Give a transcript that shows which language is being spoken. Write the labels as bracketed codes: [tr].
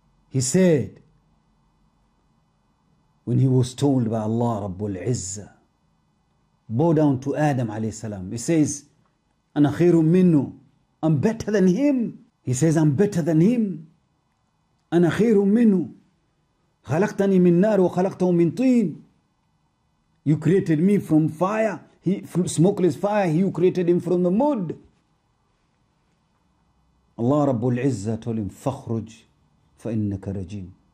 [en] He said, when he was told by Allah Rabbul Izzah, bow down to Adam alayhi salam. He says, [ar] ana khairun minhu. [en] I'm better than him. He says, I'm better than him. [ar] Ana khairun minhu. خلقتني من نار وخلقته من طين. [en] You created me from fire. From smokeless fire. You created him from the mud. [ar] Allah رب العزة [en] told him, [ar] فخرج فإنك رجيم.